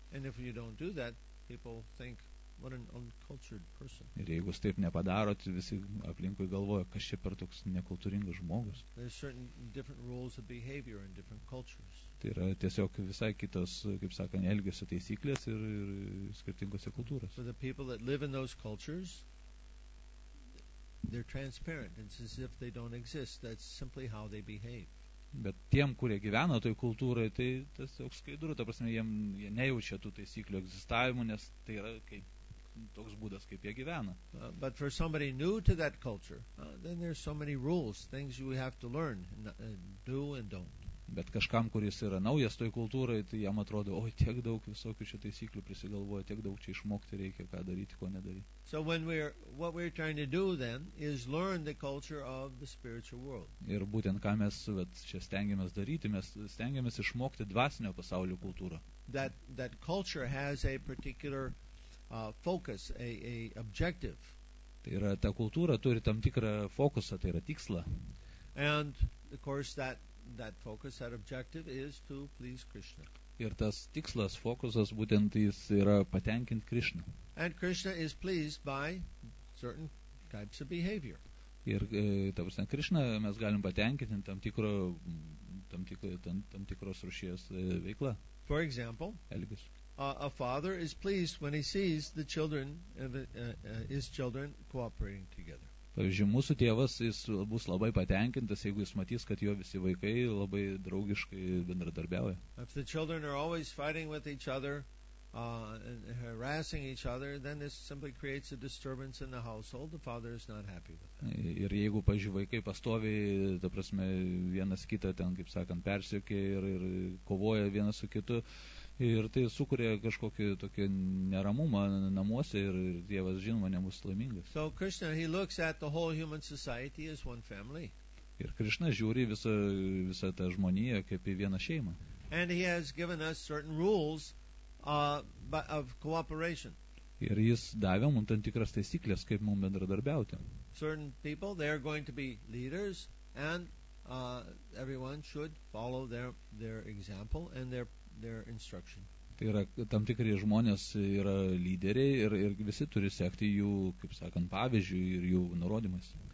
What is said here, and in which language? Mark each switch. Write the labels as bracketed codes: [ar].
[en] And if you don't do that, people think, what an uncultured person. [lt] Ir jeigu taip nepadarote, visi aplinkui galvoja, kas čia per toks nekultūringas žmogus. [en] There's certain different rules of behavior in different cultures. [lt] Tai yra tiesiog visai kitos, kaip sakant, elgesio taisyklės ir skirtingose kultūros. [en] For the people that live in those cultures, they're transparent. It's as if they don't exist. That's simply how they behave. [lt] Bet tiem, kurie gyvena toj kultūroje, tai tiesiog skaidru, ta prasme, jie nejaučia tų taisyklių egzistavimų, nes tai yra kaip toks būdas, kaip jie gyvena. [en] But for somebody new to that culture, then there's so many rules, things you have to learn, do and don't. [lt] Bet kažkam, kuris yra naujas toj kultūrai, tai jam atrodo, oi, tiek daug visokių čia taisyklių prisigalvoja, tiek daug čia išmokti reikia, ką daryti, ko nedaryti. [en] So when what we're trying to do then is learn the culture of the spiritual world. [lt] Ir būtent ką mes vat, čia stengiamės daryti, mes stengiamės išmokti dvasinio pasaulio kultūrą. [en] That culture has a particular focus, a objective. [lt] Tai yra, ta kultūra turi tam tikrą fokusą, tai yra tikslą. [en] And of course that focus, that objective is to please Krishna. [lt] Ir tas tikslas, fokusas, būtent jis yra patenkinti Krishna. [en] And Krishna is pleased by certain types of behavior. [lt] Ir ta prasme, Krishna mes galim patenkinti tam tikros rūšies veiklą. [en] For example, [lt] elgis. [en] A father is pleased when he sees the children and his children cooperating together. [lt] Pavyzdžiui, mūsų tėvas, jis bus labai patenkintas, jeigu jis matys, kad jo visi vaikai labai draugiškai bendradarbiauja. [en] If the children are always fighting with each other, and harassing each other, then this simply creates a disturbance in the household. The father is not happy with that. [lt] Ir jeigu, pavyzdžiui, vaikai pastoviai, ta prasme, vienas kitą ten, kaip sakant, persiekia ir kovoja vienas su kitu, ir tai sukuria kažkokį tokį neramumą namuose ir Dievas žinoma nebus laimingas. [en] So Krishna, he looks at the whole human society as one family. [lt] Ir Krishna žiūri visą tą žmoniją kaip į vieną šeimą. [en] And he has given us certain rules of cooperation. [lt] Ir jis davė mums tam tikras taisyklės, kaip mums bendradarbiauti. [en] Certain people, they are going to be leaders and everyone should follow their example and their instruction. [lt] Tai yra tam tikri žmonės yra lyderiai ir visi turi sekti jų, kaip sakant, pavyzdžių ir jų nurodymais.